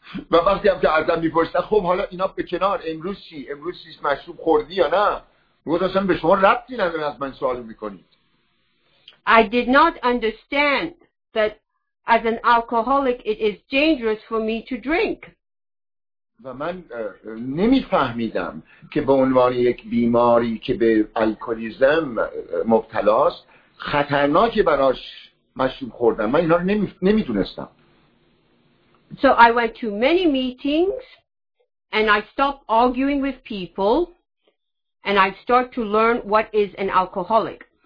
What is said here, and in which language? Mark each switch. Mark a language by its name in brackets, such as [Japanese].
[Persian] و وقتی هم که ازم میپرسن خب حالا اینا به کنار، امروز چی؟ امروز چی مشروب خوردی یا نه؟ گفتم به شما ربطی نداره از من سوال میکنید. [English] I did not understand that as an alcoholic it is dangerous for me to drink. [Persian] و من نمیفهمیدم که به عنوان یک بیماری که به الکلیزم مبتلاست خطرناکه براش مشروب خوردن. من اینا رو نمیدونستم. [English] So I went to many meetings and I stopped arguing with people and I start to learn what is an alcoholic.